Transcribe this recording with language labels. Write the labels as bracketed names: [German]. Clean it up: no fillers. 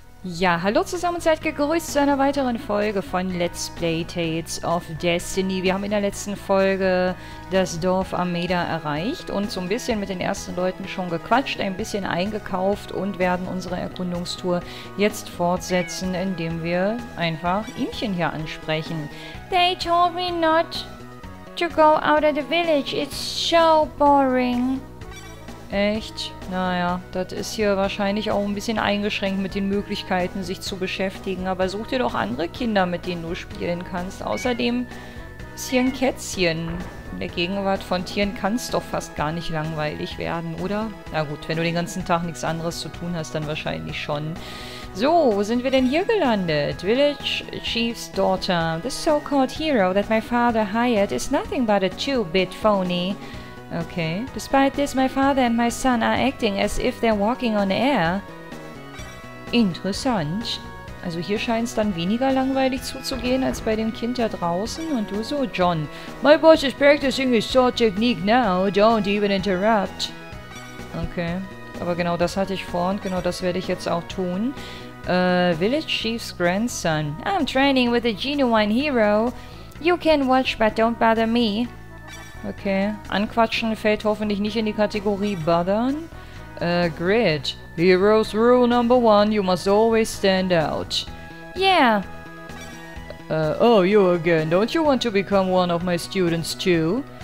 [German] Ja, hallo zusammen und seid gegrüßt zu einer weiteren Folge von Let's Play Tales of Destiny. Wir haben in der letzten Folge das Dorf Ameda erreicht und so ein bisschen mit den ersten Leuten schon gequatscht, ein bisschen eingekauft und werden unsere Erkundungstour jetzt fortsetzen, indem wir einfach Ihmchen hier ansprechen. [English] They told me not to go out of the village. It's so boring. [German] Echt? Naja, das ist hier wahrscheinlich auch ein bisschen eingeschränkt mit den Möglichkeiten, sich zu beschäftigen. Aber such dir doch andere Kinder, mit denen du spielen kannst. Außerdem ist hier ein Kätzchen. In der Gegenwart von Tieren kann es doch fast gar nicht langweilig werden, oder? Na gut, wenn du den ganzen Tag nichts anderes zu tun hast, dann wahrscheinlich schon. So, wo sind wir denn hier gelandet? [English] Village Chief's Daughter. The so-called hero that my father hired is nothing but a two-bit phony. Okay. Despite this, my father and my son are acting as if they're walking on air. [German] Interessant. Also hier scheint es dann weniger langweilig zuzugehen als bei dem Kind da draußen. Und du so, John. [English] My boss is practicing his sword technique now. Don't even interrupt. [German] Okay. Aber genau das hatte ich vor und genau das werde ich jetzt auch tun. [English] Village Chief's Grandson. I'm training with a genuine hero. You can watch, but don't bother me. [German] Okay, anquatschen fällt hoffentlich nicht in die Kategorie bothern. Grid. [English] Heroes rule number one, you must always stand out. Yeah. Oh, you again. Don't you want to become one of my students too?